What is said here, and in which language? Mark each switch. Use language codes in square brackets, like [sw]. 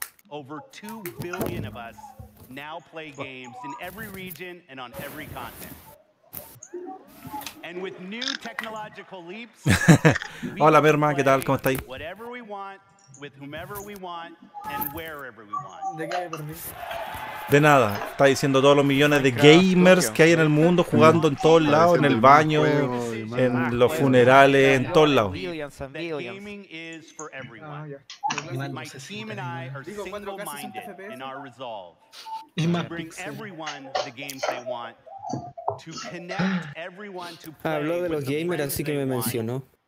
[en] Over 2 billion of us now play games in every region and on every continent. And with new technological leaps. [es] Hola, mi hermano, ¿qué tal? ¿Cómo estáis? [en] Whatever we want. With whomever we want and wherever we want. [es] De nada, está diciendo todos los millones de gamers que hay en el mundo jugando en todos lados, en el baño, en los funerales, en todos lados. [en] Gaming is for everyone. My team and I are single-minded in our resolve to bring everyone the games they want, to connect everyone to play. [es] Habló de los gamers, así que me mencionó.